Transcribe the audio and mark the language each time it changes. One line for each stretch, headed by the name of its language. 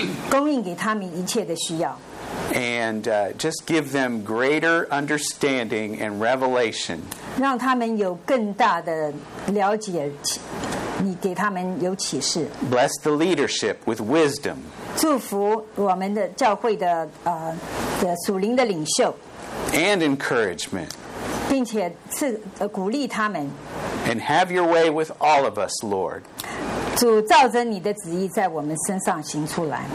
Chinese: 供应给他们一切的需要。
English: And just give them greater understanding and revelation.
Chinese: 让他们有更大的了解，你给他们有启示。
English: Bless the leadership with wisdom.
Chinese: 祝福我们的教会的的属灵的领袖。
English: And encouragement.
Chinese: 并且赐鼓励他们。
English: And have your way with all of us, Lord.
Chinese: 主照着你的旨意在我们身上行出来。